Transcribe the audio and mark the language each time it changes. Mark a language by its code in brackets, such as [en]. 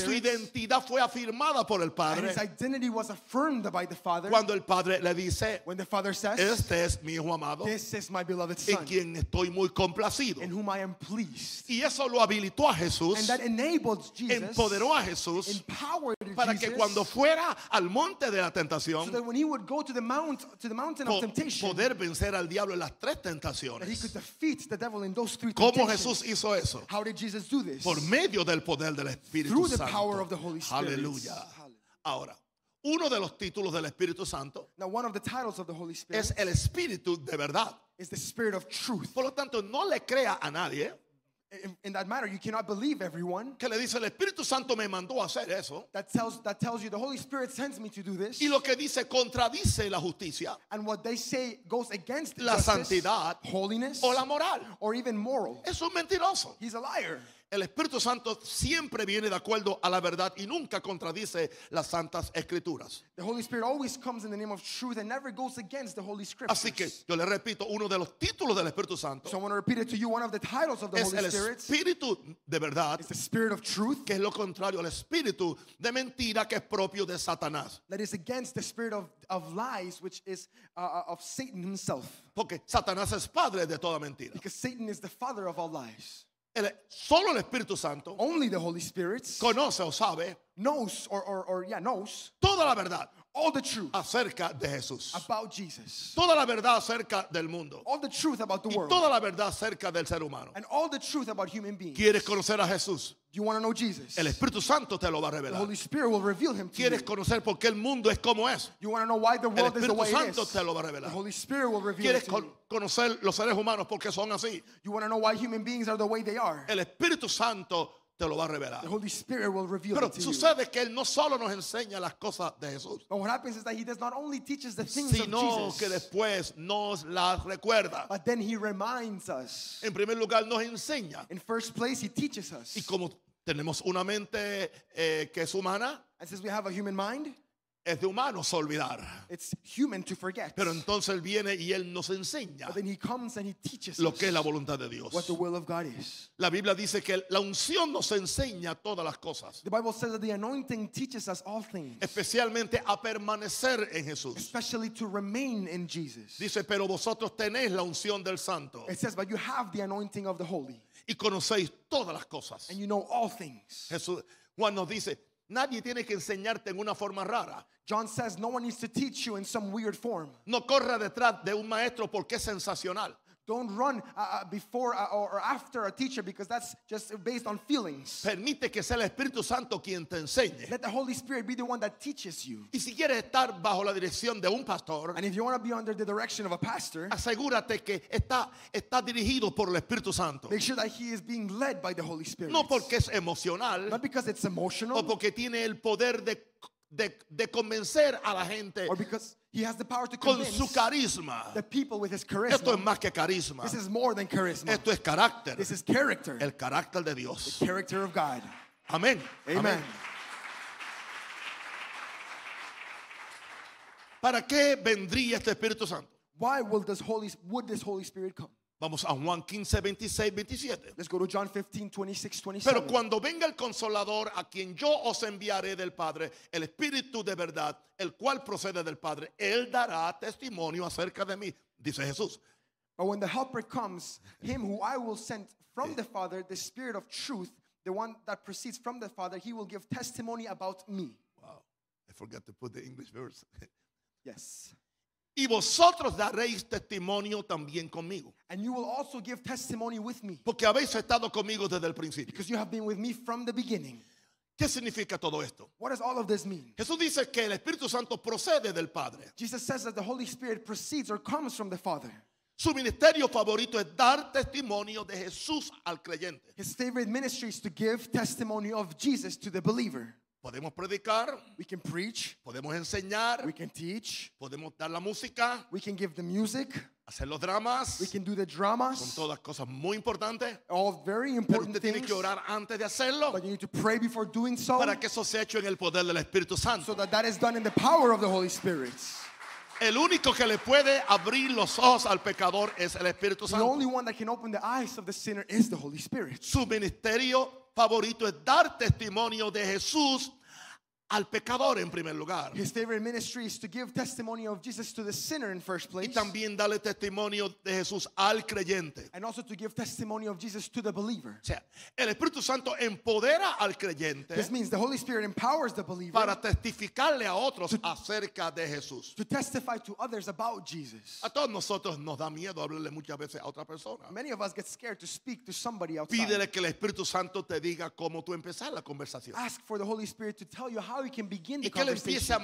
[es] Y su identidad fue afirmada por el Padre. [en] And his identity was affirmed by the Father. [es] Cuando el Padre le dice, [en] when the Father says, [es] este es mi hijo amado. [en] This is my beloved son. [es] En quien estoy muy complacido. [en] In whom I am pleased. [es] Y eso lo habilitó a Jesús. [en] And that enabled Jesus. [es] Empoderó a Jesús. [en] Empowered [es] para [en] Jesus. [es] Para que cuando fuera al monte de la tentación. [en] So that when he would go to the mountain of temptation, [es] poder vencer al diablo en las tres tentaciones, [en] that he could defeat the devil in those three [es] ¿cómo [en] temptations. [es] Jesús hizo eso? [en] How did Jesus do this? [es] Por medio del poder del Espíritu [en] through [es] Santo. [en] The power of the Holy Spirit. [es] Aleluya. Ahora, uno de los títulos del Espíritu Santo [en] now, one of the titles of the Holy Spirit [es] es el Espíritu de verdad. [en] Is the Spirit of truth. [es] Por lo tanto, no le crea a nadie. [en] In that matter, you cannot believe everyone. [es] Que le dice el Espíritu Santo me mandó a hacer eso. [en] That tells you the Holy Spirit sends me to do this. [es] Y lo que dice contradice la justicia. [en] And what they say goes against [es] la santidad, [en] holiness, [es] o la moral, [en] or even moral. [es] Es un mentiroso. [en] He's a liar. [es] El Espíritu Santo siempre viene de acuerdo a la verdad y nunca contradice las santas escrituras. [en] The Holy Spirit always comes in the name of truth and never goes against the Holy Scriptures. [es] Así que yo le repito uno de los títulos del Espíritu Santo. [en] So I want to repeat it to you, one of the titles of the Holy Spirit. [es] Es el Espíritu de verdad. [en] It's the Spirit of truth. [es] Que es lo contrario al Espíritu de mentira que es propio de Satanás. [en] That is against the spirit of lies, which is of Satan himself. [es] Porque Satanás es padre de toda mentira. [en] Because Satan is the father of all lies. [es] Solo el Espíritu Santo [en] only the Holy Spirit [es] conoce o sabe [en] knows or yeah knows [es] toda la verdad [en] all the truth [es] acerca de Jesús [en] about Jesus [es] toda la verdad acerca del mundo [en] all the truth about the [es] y [en] world [es] toda la verdad acerca del ser humano [en] and all the truth about human beings. [es] ¿Quieres conocer a Jesús? [en] Do you want to know Jesus? [es] El Espíritu Santo te lo va a revelar. [en] The Holy Spirit will reveal him to [es] ¿Quieres [en] you. [es] ¿Quieres conocer por qué el mundo es como es? [en] You want to know why the world [es] el Espíritu [en] is the way [es] Santo [en] it is. [es] Te lo va a revelar. [en] The Holy Spirit will reveal [es] ¿Quieres [en] it to you. [es] Conocer los seres humanos por qué son así? [en] You want to know why human beings are the way they are. [es] El Espíritu Santo te lo va a revelar. [en] The Holy Spirit will reveal [es] Pero [en] it to [es] sucede [en] you. [es] Que él no solo nos enseña las cosas de Jesús. [en] But what happens is that he does not only teaches the things [es] sino [en] of Jesus. [es] Que después nos las recuerda. [en] But then he reminds us. [es] En primer lugar nos enseña. [en] In first place he teaches us. [es] Y como tenemos una mente que es humana. [en] And since we have a human mind. [es] Es de humanos olvidar. [en] It's human to forget. [es] Pero entonces él viene y él nos enseña lo que es la voluntad de Dios. [en] What the will of God is. [es] La Biblia dice que la unción nos enseña todas las cosas. [en] The Bible says that the anointing teaches us all things. [es] Especialmente a permanecer en Jesús. [en] Especially to remain in Jesus. [es] Dice, pero vosotros tenéis la unción del Santo. [en] It says, but you have the anointing of the Holy. [es] Y conocéis todas las cosas. [en] And you know all things. [es] Jesús, Juan nos dice, nadie tiene que enseñarte en una forma rara. [en] John says no one needs to teach you in some weird form. [es] No corra detrás de un maestro porque es sensacional. [en] Don't run before or after a teacher because that's just based on feelings. [es] Permite que sea el Espíritu Santo quien te enseñe. [en] Let the Holy Spirit be the one that teaches you. [es] Y si quieres estar bajo la dirección de un pastor, [en] and if you want to be under the direction of a pastor, [es] asegúrate que está dirigido por el Espíritu Santo. [en] Make sure that he is being led by the Holy Spirit. [es] No porque es emocional. [en] Not because it's emotional. [es] O porque tiene el poder de convencer a la gente. [en] Or because he has the power to convince the people with his charisma. [es] Esto es más que carisma. [en] This is more than charisma. [es] Esto es carácter. [en] This is character. [es] El carácter de Dios. [en] The character of God. [es] Amén. [en] Amen. Amen. [es] ¿Para qué vendría este Espíritu Santo? [en] Why would this Holy Spirit come? [es] Vamos a Juan 15, 26, 27. [en] Let's go to John 15, 26, 27. [es] Pero cuando venga el Consolador, a quien yo os enviaré del Padre, el Espíritu de verdad, el cual procede del Padre, él dará testimonio acerca de mí, dice Jesús. [en] But when the Helper comes, him who I will send from the Father, the Spirit of truth, the one that proceeds from the Father, he will give testimony about me. Wow, I forgot to put the English verse. Yes. [es] Y vosotros daréis testimonio también conmigo. [en] And you will also give testimony with me. [es] Porque habéis estado conmigo desde el principio. [en] Because you have been with me from the beginning. [es] ¿Qué significa todo esto? [en] What does all of this mean? [es] Jesús dice que el Espíritu Santo procede del Padre. [en] Jesus says that the Holy Spirit proceeds or comes from the Father. [es] Su ministerio favorito es dar testimonio de Jesús al creyente. [en] His favorite ministry is to give testimony of Jesus to the believer. [es] Podemos predicar. [en] We can preach. [es] Podemos enseñar. [en] We can teach. [es] Podemos dar la música. [en] We can give the music. [es] Hacer los dramas. [en] We can do the dramas. [es] Son todas cosas muy importantes. [en] All very important things. [es] Pero usted tiene que orar antes de hacerlo. [en] But you need to pray before doing so. [es] Para que eso sea hecho en el poder del Espíritu Santo. [en] So that is done in the power of the Holy Spirit. [es] El único que le puede abrir los ojos al pecador es el Espíritu Santo. [en] The only one that can open the eyes of the sinner is the Holy Spirit. [es] Su ministerio favorito es dar testimonio de Jesús al pecador en primer lugar. [en] His favorite ministry is to give testimony of Jesus to the sinner in first place. [es] Y también darle testimonio de Jesús al creyente. [en] And also to give testimony of Jesus to the believer. [es] O sea, el Espíritu Santo empodera al creyente. [en] This means the Holy Spirit empowers the believer. [es] Para testificarle a otros acerca de Jesús. [en] To testify to others about Jesus. [es] A todos nosotros nos da miedo hablarle muchas veces a otra persona. [en] Many of us get scared to speak to somebody outside. [es] Pídele que el Espíritu Santo te diga cómo tú empezar la conversación. [en] Ask for the Holy Spirit to tell you how he can begin the conversation.